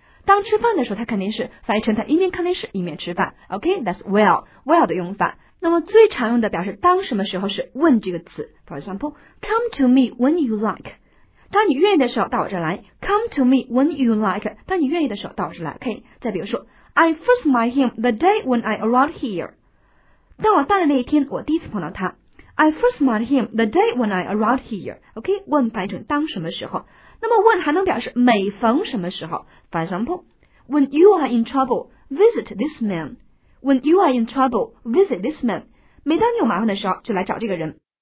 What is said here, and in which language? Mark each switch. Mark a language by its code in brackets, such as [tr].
[zh] 当吃饭的时候他看电视，翻译成他一面看电视一面吃饭。 [en] OK, that's while [zh] 的用法。那么最常用的表示当什么时候是 when 这个词。 [en] For example, come to me when you like。 [zh] 当你愿意的时候到我这来。 [en] Come to me when you like。 [zh] 当你愿意的时候到我这来。OK, 再比如说。 [en] I first met him the day when I arrived here. [zh] 当我到的那一天，我第一次碰到他。 [en] I first met him the day when I arrived here. [zh] OK, when 翻译成当什么时候。那么 when 还能表示每逢什么时候。 [en] For example, when you are in trouble, visit this man. When you are in trouble, visit this man. [zh] 每当你有麻烦的时候，就来找这个人。